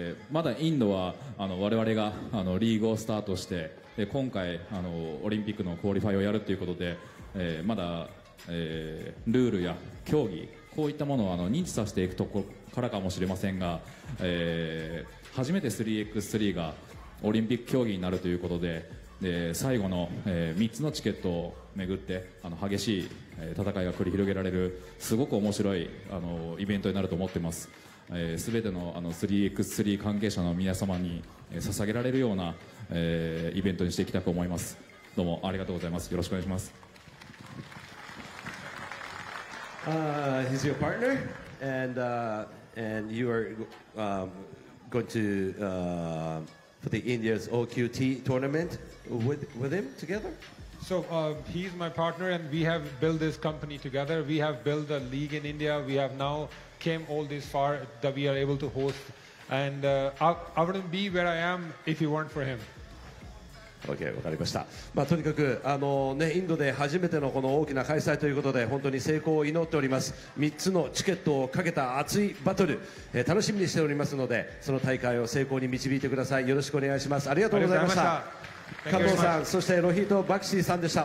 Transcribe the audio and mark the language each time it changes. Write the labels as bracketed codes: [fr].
[ja] まだインドは我々がリーグをスタートして、で今回オリンピックのクオリファイをやるということで、まだ、ルールや競技こういったものを認知させていくところからかもしれませんが、初めて 3x3 がオリンピック競技になるということで、で最後の、3つのチケットをめぐって激しい戦いが繰り広げられるすごく面白いイベントになると思っています。すべての3x3 関係者の皆様に捧げられるような、イベントにしていきたく思います。どうもありがとうございます。よろしくお願いします。 [en] He's your partner and you are going to for the India's OQT tournament with him together? So he's my partner and we have built this company together. We have built a league in India. We have now came all this far that we are able to host. And I wouldn't be where I am if it weren't for him. [ja] OK、わかりました。まあ、とにかく、ね、インドで初めてのこの大きな開催ということで本当に成功を祈っております。 3つのチケットをかけた熱いバトル、楽しみにしておりますので、その大会を成功に導いてください。よろしくお願いします。ありがとうございました。加藤さん、そしてロヒート・バクシーさんでした。